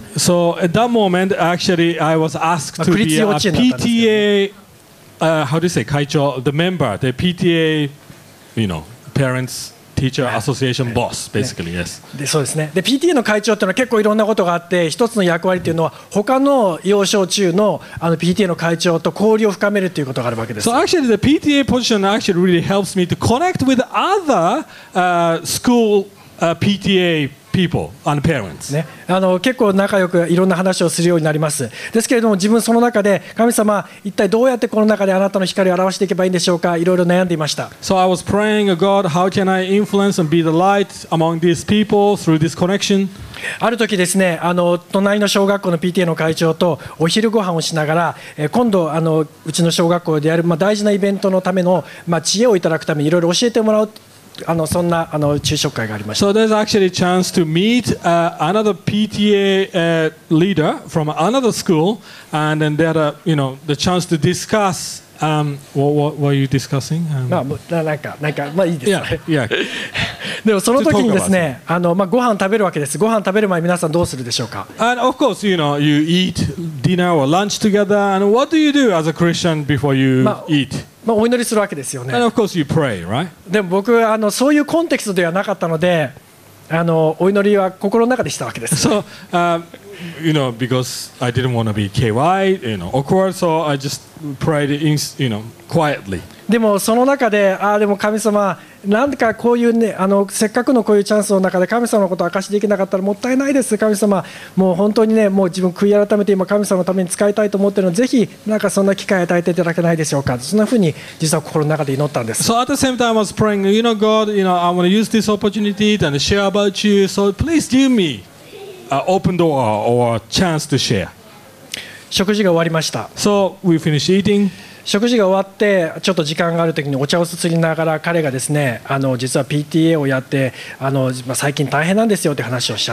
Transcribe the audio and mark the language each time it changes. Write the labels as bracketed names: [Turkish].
[English] So at that moment, actually, I was asked to be a PTA, how do you say, 会長, the member, the PTA, you know, parents. Teacher Association Boss, basically, yes. [Japanese] で、そうですね。で、PTA の会長っていうのは結構いろんなことがあって、一つの役割っていうのは他の幼少中のあの PTA の会長と交流を深めるっていうことがあるわけです。 [English] So actually, the PTA position actually really helps me to connect with other school PTA people and parents. [Japanese] ね、あの結構仲良くいろんな話をするようになります。ですけれども、自分その中で神様一体どうやってこの中であなたの光を表していけばいいんでしょうか。いろいろ悩んでいました。 [English] So I was praying, God, how can I influence and be the light among these people through this connection? [Japanese] ある時ですね、あの隣の小学校の PTA の会長とお昼ご飯をしながら、今度あのうちの小学校でやる、まあ、大事なイベントのための、まあ、知恵をいただくためにいろいろ教えてもらう。あのそんなあの昼食会がありました。 [English] So there's actually a chance to meet another PTA leader from another school, and then they had a, you know, the chance to discuss what were you discussing? [Japanese] なんかまあいいです。 [English] Yeah. [Japanese] でもその時にですね、あのまあご飯食べるわけです。ご飯食べる前皆さんどうするでしょうか。 [English] And of course, you know, you eat dinner or lunch together. And what do you do as a Christian before you eat? [Japanese] まあ、お祈りするわけですよね。 [English] And of course you pray, right? [Japanese] でも僕あのそういうコンテクストではなかったので、あのお祈りは心の中でしたわけです。 [English] So, you know, because I didn't want to be KY, you know, awkward, so I just prayed in, you know, quietly. [Japanese] でもその中で、ああでも神様、なんかこういうね、あのせっかくのこういうチャンスの中で神様のことを明かしできなかったらもったいないです、神様。もう本当にね、もう自分悔い改めて今神様のために使いたいと思っているので、ぜひなんかそんな機会を与えていただけないでしょうか。そんな風に実は心の中で祈ったんです。 [English] So at the same time I was praying, you know, God, you know, I want to use this opportunity to share about you, so please give me an open door or a chance to share. [Japanese] 食事が終わりました。 [English] So we finished eating. [Japanese] 食事が終わってちょっと時間があるときにお茶をすすりながら、彼がですね、あの実は PTA をやって、あの最近大変なんですよって話をしちゃ